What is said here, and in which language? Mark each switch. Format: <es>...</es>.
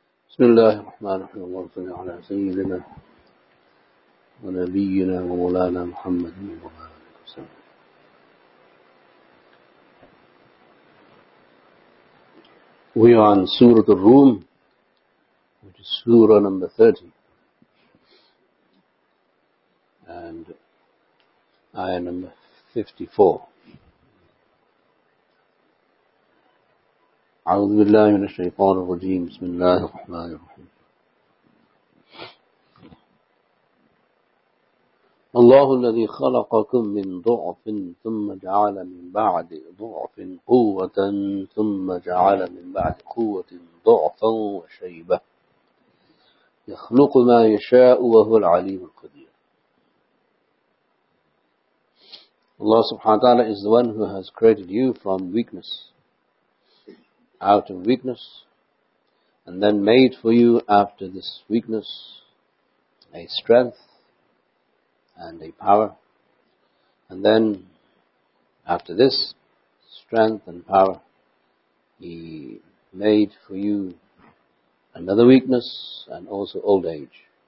<ar>بسم الله الرحمن الرحيم اللهم صل على سيدنا ونبينا ومولانا محمد وعلى آله وصحبه.</ar> <en>We are on Surah Al-Rum, which is Surah number 30, and Ayah number 54.</en> <ar>أعوذ بالله من الشيطان الرجيم بسم الله الرحمن الرحيم. الله الذي خلقكم من ضعف ثم جعل من بعد ضعف قوة ثم جعل من بعد قوة ضعفا وشيبة يخلق ما يشاء وهو العليم القدير.</ar> <en>Allah subhanahu wa ta'ala is the one who has created you from weakness, out of weakness, and then made for you after this weakness a strength and a power, and then after this strength and power, He made for you another weakness and also old age.</en>